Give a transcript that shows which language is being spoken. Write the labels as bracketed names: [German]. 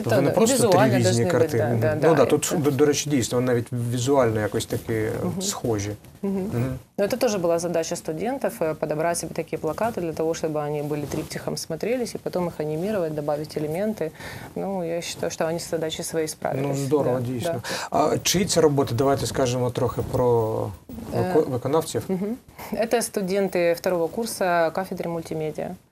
[Russian] это не просто [Ukrainian] три різні картини. Да, да, ну да, тут, до речі, дійсно, вони навіть візуально якось такі схожі. [Russian] Ну, это тоже была задача студентов подобрать себе такие плакаты для того, чтобы они были триптихом смотрелись, и потом их анимировать, добавить элементы. Ну, я считаю, что они с задачей своей справились. [Ukrainian] Ну, здорово, да, дійсно. Да. А чиї це роботи? Давайте скажемо трохи про виконавців. [Russian] Это студенты второго курса кафедры мультимедіа.